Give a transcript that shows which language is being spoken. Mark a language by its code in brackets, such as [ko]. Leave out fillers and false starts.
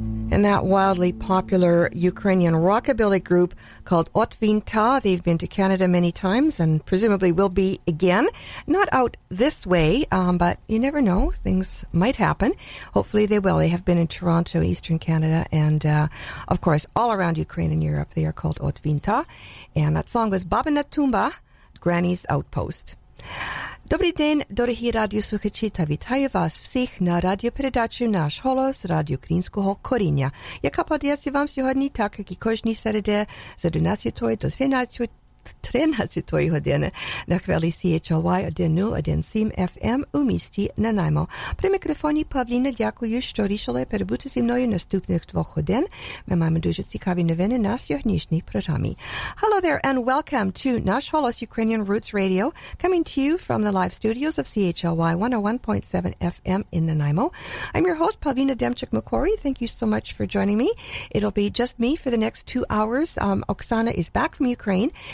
[en] And that wildly popular Ukrainian rockabilly group called Otvinta, they've been to Canada many times and presumably will be again. Not out this way, but you never know. Things might happen. Hopefully they will. They have been in Toronto, Eastern Canada, and, of course, all around Ukraine and Europe. They are called Otvinta. And that song was Babina Tumba, Granny's Outpost. [uk] Добрий день, дорогі радіослухачі, та вітаю вас всіх на радіопередачі «Наш голос» Радіо Українського коріння, яка подається вам сьогодні, так як і кожні середи, з 11 до 13 години на хвилі CHLY 1017 FM у місті Нанаймо. При мікрофоні Павліна, дякую, що рішили перебути зі мною наступних двох годин. Ми маємо дуже цікаві новини на сьогоднішній програмі. [en] Hello there and welcome to Nash Holos Ukrainian Roots Radio, coming to you from the live studios of CHLY 101.7 FM in Nanaimo. I'm your host, Pavlina Demchuk-McQuarrie. Thank you so much for joining me. It'll be just me for the next 2 hours. Oksana is back from Ukraine.